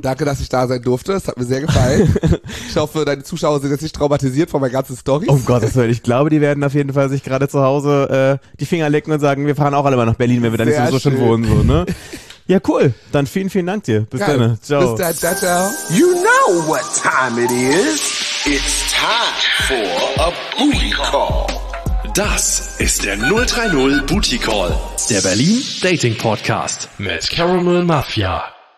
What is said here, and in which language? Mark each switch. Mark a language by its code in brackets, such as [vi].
[de] Danke, dass ich da sein durfte. Es hat mir sehr gefallen. Ich hoffe, deine Zuschauer sind jetzt nicht traumatisiert von meinen ganzen Storys. Oh Gott, das will ich. Glaube, die werden auf jeden Fall sich gerade zu Hause die Finger lecken und sagen, wir fahren auch alle mal nach Berlin, wenn wir da nicht sowieso schon wohnen. So, ne? Ja, cool. Dann vielen, vielen Dank dir. Bis dann. Ciao. Bis dann. Ciao, ciao. [en] You know what time it is. It's time for a booty call. [de] Das ist der 030 Booty Call. Der Berlin Dating Podcast mit Caramel Mafia.